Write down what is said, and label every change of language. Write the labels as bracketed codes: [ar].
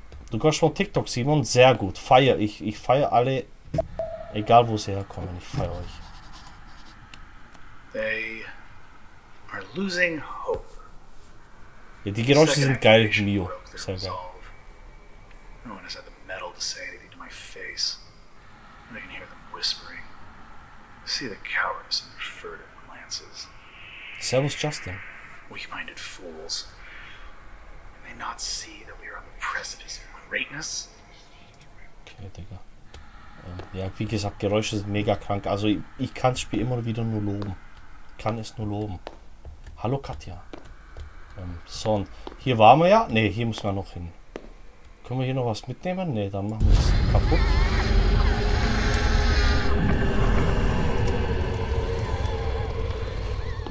[de] Du kommst von TikTok, Simon. Sehr gut. Feier. Ich feier alle... Egal wo sie herkommen, ich feiere euch. [en] They are losing hope. [de] Ja, die Geräusche sind geil, Mio. Sehr geil. [en] No one has had the metal to say anything to my face. And I can hear them whispering. See the cowardice in their furtive glances. [de] Servus, Justin. [en] Weak-minded fools. Can they not see that we are on the precipice of greatness? [de] Okay, Digga. Ja, wie gesagt, Geräusche sind mega krank. Also ich kann das Spiel immer wieder nur loben. Kann es nur loben. Hallo Katja. So, und hier waren wir ja. Ne, hier müssen wir noch hin. Können wir hier noch was mitnehmen? Ne, dann machen wir es kaputt.